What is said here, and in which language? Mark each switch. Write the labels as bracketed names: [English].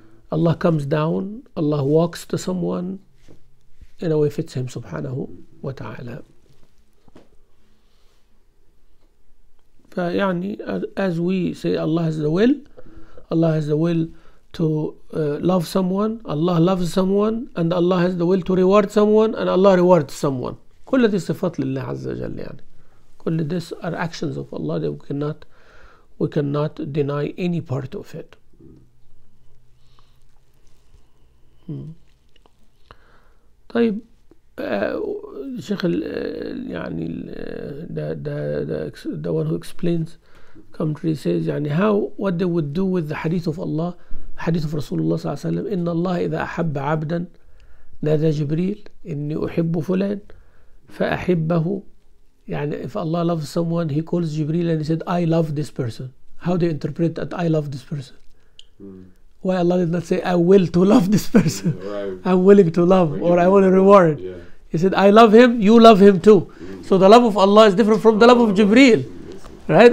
[English] Allah comes down, Allah walks to someone in a way fits him subhanahu wa ta'ala. [Arabic] فيعني, [English] as we say Allah has the will, Allah has the will to love someone, Allah loves someone, and Allah has the will to reward someone, and Allah rewards someone. [Arabic] كل هذه صفات لله عز وجل يعني. كل [English] this are actions of Allah that we cannot deny any part of it. [Arabic] طيب الشيخ يعني [English] the one who explains commentary says [Arabic] يعني [English] how what they would do with the hadith of Allah. [Arabic] حديث رسول الله صلى الله عليه وسلم إن الله إذا أحب عبدا نادى جبريل إني أحب فلان فأحبه. يعني [English] if Allah loves someone he calls Jibril and he said I love this person. How do you interpret that I love this person? Why Allah did not say, I will to love this person. Right. I'm willing to love, or I want a reward. Yeah. He said, I love him, you love him too. Mm-hmm. So the love of Allah is different from the love of Jibreel. Right?